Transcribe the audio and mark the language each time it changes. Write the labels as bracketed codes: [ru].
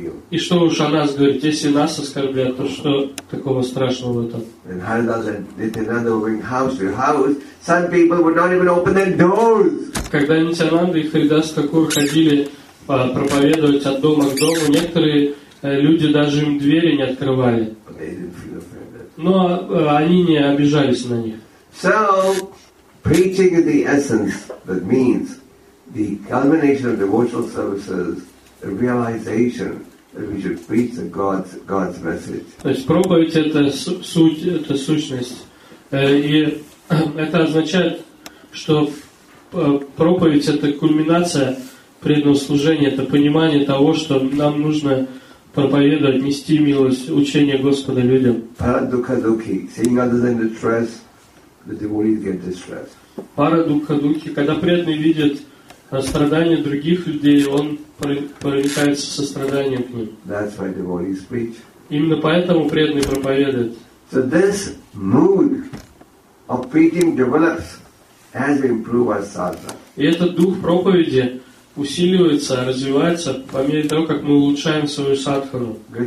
[ru] И что уж о нас говорит, если нас оскорбляют, то что такого страшного в этом? [en] And Haridas and Nityananda were going house to house, some people would not even open their doors. [ru] Когда Нитянанда и Харидас Такур ходили проповедовать от дома к дому, некоторые люди даже им двери не открывали. Но они не обижались на них. [en] So, preaching is the essence that means the culmination of devotional services, the realization that we should preach the God's message. [ru] То есть проповедь — это суть, это сущность. И это означает, что проповедь — это кульминация преданного служения, это понимание того, что нам нужно проповедовать, нести милость, учение Господа людям. [sa] Парадукха-духи. [en] Seeing others in distress, the devotees get distressed. [sa] Парадукха-духи. [ru] Когда преданный видит страдания других людей, он проникается состраданием к ним. [en] That's why devotees preach. [ru] Именно поэтому преданный проповедует. [en] So this mood of preaching develops as we improve our sadhana. [ru] И этот дух проповеди усиливается, развивается по мере того, как мы улучшаем свою садхану.